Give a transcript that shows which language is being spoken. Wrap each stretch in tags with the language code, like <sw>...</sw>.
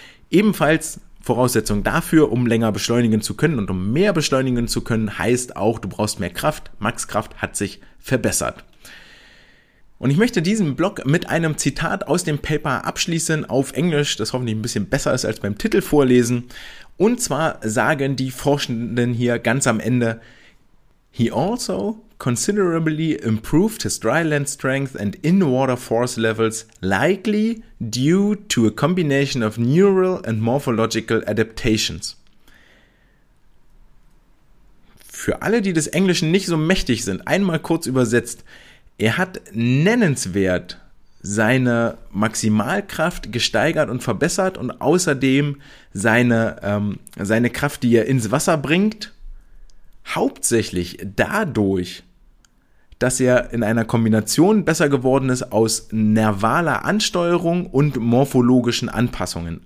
<de>Ebenfalls Voraussetzung dafür, um länger beschleunigen zu können und um mehr beschleunigen zu können, heißt auch, du brauchst mehr Kraft. Maxkraft hat sich verbessert. Und ich möchte diesen Blog mit einem Zitat aus dem Paper abschließen auf Englisch, das hoffentlich ein bisschen besser ist als beim Titel vorlesen. Und zwar sagen die Forschenden hier ganz am Ende:</de> <en>He also considerably improved his dry land strength and in-water force levels, likely due to a combination of neural and morphological adaptations.</en> <de>Für alle, die des Englischen nicht so mächtig sind, einmal kurz übersetzt: Er hat nennenswert seine Maximalkraft gesteigert und verbessert und außerdem seine Kraft, die er ins Wasser bringt, hauptsächlich dadurch, dass er in einer Kombination besser geworden ist aus nervaler Ansteuerung und morphologischen Anpassungen.</de>